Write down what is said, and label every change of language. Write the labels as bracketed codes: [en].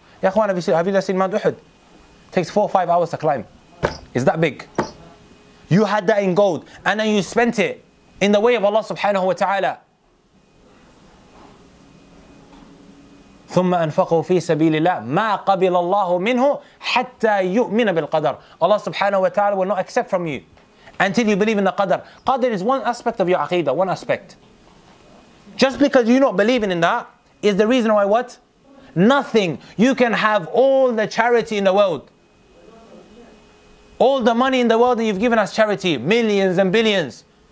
[en] Ya khwan, have you seen Mount Uhud? Takes 4 or 5 hours to climb. Is that big? You had that in gold, and then you spent it in the way of Allah subhanahu wa ta'ala. [ar] ثم أنفقوا في سبيل الله ما قبل الله منه حتى يؤمن بالقدر. [en] Allah subhanahu wa ta'ala will not accept from you until you believe in the qadr. Qadr is one aspect of your aqidah, one aspect. Just because you're not believing in that is the reason why what? Nothing. You can have all the charity in the world, all the money in the world that you've given us charity, millions and billions.